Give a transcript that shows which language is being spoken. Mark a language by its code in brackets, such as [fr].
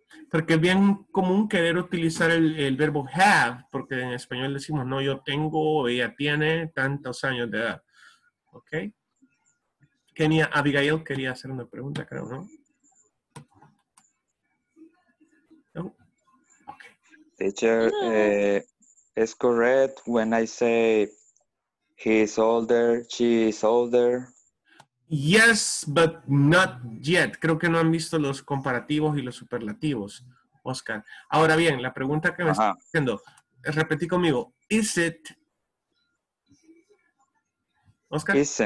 [es] Porque es bien común querer utilizar el verbo have, porque en español decimos, no, yo tengo, ella tiene tantos años de edad. Okay. Kenia, Abigail quería hacer una pregunta, creo, ¿no? [en] Teacher, it's correct when I say he's older, she's older. Yes, but not yet. [es] Creo que no han visto los comparativos y los superlativos, Oscar. Ahora bien, la pregunta que me está haciendo, repetí conmigo, [en] is it? [es] Oscar.